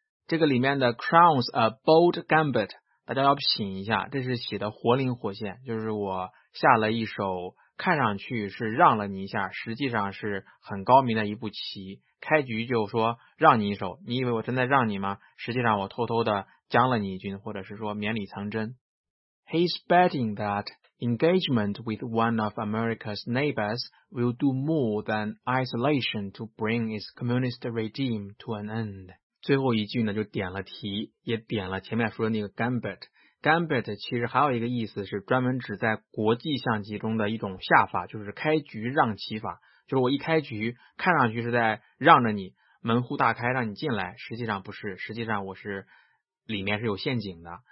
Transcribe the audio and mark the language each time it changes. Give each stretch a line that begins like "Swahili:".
Chinese: 这个里面的
English: crowns a bold gambit，
Chinese: 大家要品一下，这是写的活灵活现，就是我下了一手看上去是让了你一下，实际上是很高明的一步棋。开局就说让你一手，你以为我真的让你吗？实际上我偷偷的将了你一军，或者是说绵里藏针。
English: He's betting that engagement with one of America's neighbors will do more than isolation to bring its communist regime to an end.
Chinese: 最后一句呢，就点了题，也点了前面说的那个 gambit。 Gambit 其实还有一个意思，是专门指在国际象棋中的一种下法，就是开局让棋法，就是我一开局看上去是在让着你，门户大开让你进来，实际上不是，实际上我是里面是有陷阱的。